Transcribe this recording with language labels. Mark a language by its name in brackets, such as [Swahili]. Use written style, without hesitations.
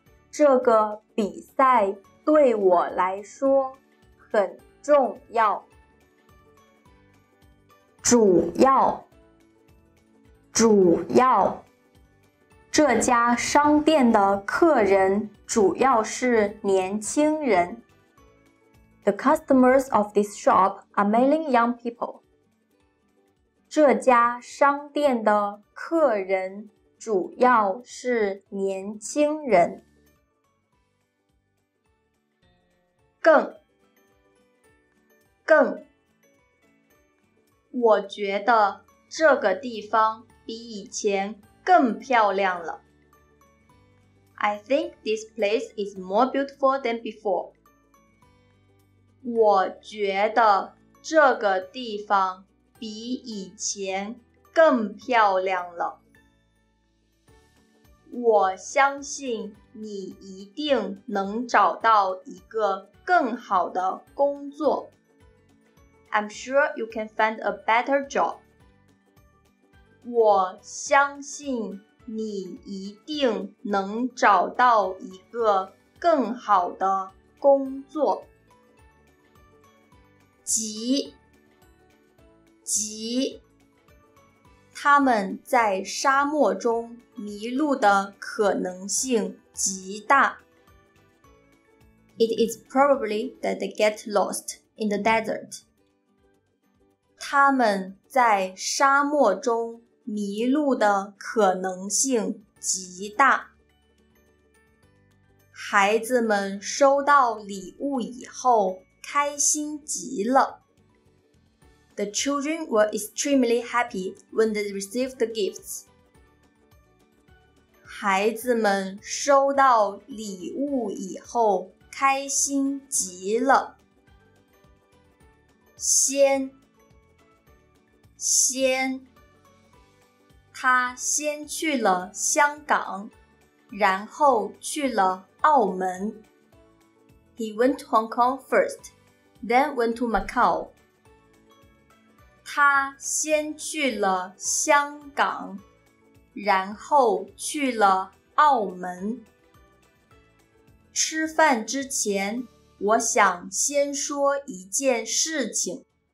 [Chinese] 这个比赛对我来说很重要。主要，主要，这家商店的客人主要是年轻人。 [English] The customers of this shop are mainly young people. [Chinese] 这家商店的客人主要是年轻人。更，更，我觉得这个地方比以前更漂亮了。 [English] I think this place is more beautiful than before. [Chinese] 我觉得这个地方比以前更漂亮了。我相信你一定能找到一个更好的工作。 [English] I'm sure you can find a better job. [Chinese] 我相信你一定能找到一个更好的工作。急，急，他们在沙漠中迷路的可能性极大。 [English] It is probably that they get lost in the desert. [Chinese] 他们在沙漠中迷路的可能性极大。孩子们收到礼物以后开心极了。 [English] The children were extremely happy when they received the gifts. [Chinese] 孩子们收到礼物以后开心极了。先，先，他先去了香港，然后去了澳门。 [English] He went to Hong Kong first, then went to Macau. [Chinese] 他先去了香港，然后去了澳门。吃饭之前，我想先说一件事情。